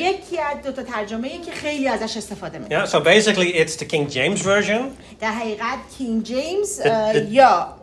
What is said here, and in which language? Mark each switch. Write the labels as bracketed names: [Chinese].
[Persian] یکی از دو تا ترجمه ای که خیلی ازش استفاده میشه. [English] Yeah, so basically it's the King James version. [Persian] در حقیقت King James یا